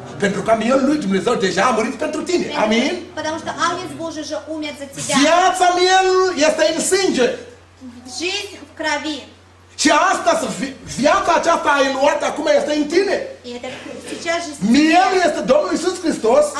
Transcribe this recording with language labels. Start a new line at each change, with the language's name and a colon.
Romanian: Pentru că mielul lui Dumnezeu deja a murit pentru tine. Amin.
Russian: Потому что ангел Божий же умер за тебя.
Romanian: Viața mielului este în sânge.
Russian: Жизнь в крови.
Romanian: Și asta, viața aceasta ai luat acum este în tine. Mielul este Domnul Iisus Hristos.